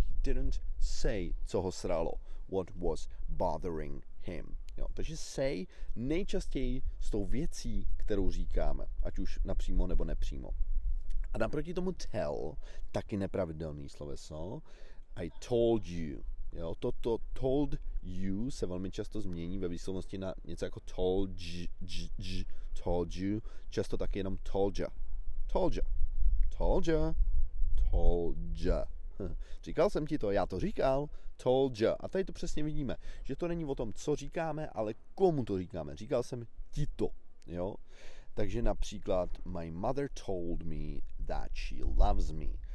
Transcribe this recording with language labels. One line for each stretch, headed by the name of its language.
English: Didn't say,
Czech: co ho sralo,
English: what was bothering him.
Czech: Jo, takže say nejčastěji s tou věcí, kterou říkáme, ať už napřímo nebo nepřímo. A naproti tomu tell, taky nepravidelný sloveso,
English: I told you.
Czech: Jo, toto told you se velmi často změní ve výslovnosti na něco jako told you, často taky jenom told ya.
English: Told ya. Told ya. Told ya.
Czech: Říkal jsem ti to, já to říkal,
English: told ya.
Czech: A tady to přesně vidíme, že to není o tom, co říkáme, ale komu to říkáme. Říkal jsem ti to, jo? Takže například,
English: my mother told me that she loves me.